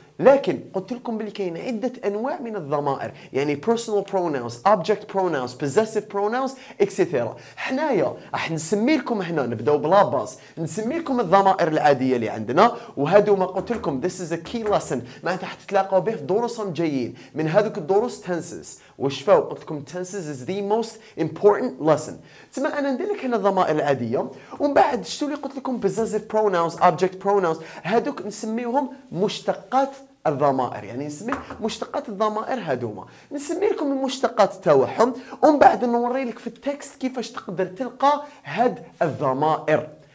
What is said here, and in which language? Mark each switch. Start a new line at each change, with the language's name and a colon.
Arabic: لكن قلت لكم بلي كاين عدة أنواع من الضمائر، يعني
English: personal pronouns, object pronouns, possessive pronouns, etc.
Arabic: حنايا راح نسمي لكم هنا نبداو بلا باز، نسمي لكم الضمائر العادية اللي عندنا، وهذو ما قلت لكم
English: this is a key lesson،
Arabic: معناتها حتتلاقوا به في دروسهم جايين، من هذوك الدروس tenses. واش فاو قلت لكم
English: tenses is the most important lesson.
Arabic: تسمع أنا ندير لك هنا الضمائر العادية، ومن بعد شتو اللي قلت لكم
English: possessive pronouns, object pronouns،
Arabic: هذوك نسميهم مشتقات الضمائر، يعني نسمي مشتقات الضمائر هذوما، نسمي لكم المشتقات تاعهم، ومن بعد نوري لك في التكست كيفاش تقدر تلقى هاد الضمائر.